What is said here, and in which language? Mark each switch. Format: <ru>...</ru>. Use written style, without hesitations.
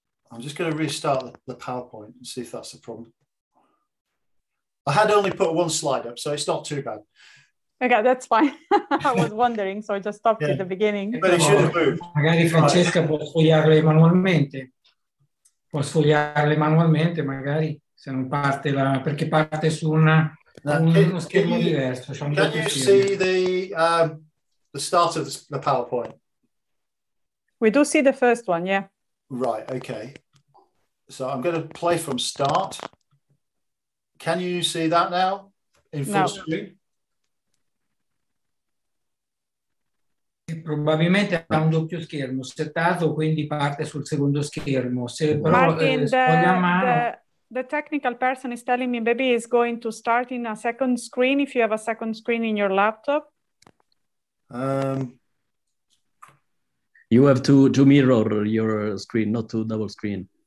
<en>I'm just going to restart the PowerPoint and see if that's the problem. I had only put one slide up, so it's not too bad. Okay, that's fine. I was wondering, so I just stopped at the beginning. But it should have moved.</en> <it>Magari Francesca può sfogliarle manualmente. Può sfogliarle manualmente, magari, se non parte, perché parte su uno schermo diverso.</it> <en>Can you see the start of the PowerPoint? We do see the first one, yeah. Right, okay. So I'm going to play from start. Can you see that now in full screen?</en> <it>Probabilmente ha un doppio schermo settato, quindi parte sul secondo schermo. Se però</it> <en>the technical person is telling me maybe it's going to start in a second screen if you have a second screen in your laptop. You have to mirror your screen, not to double screen.</en>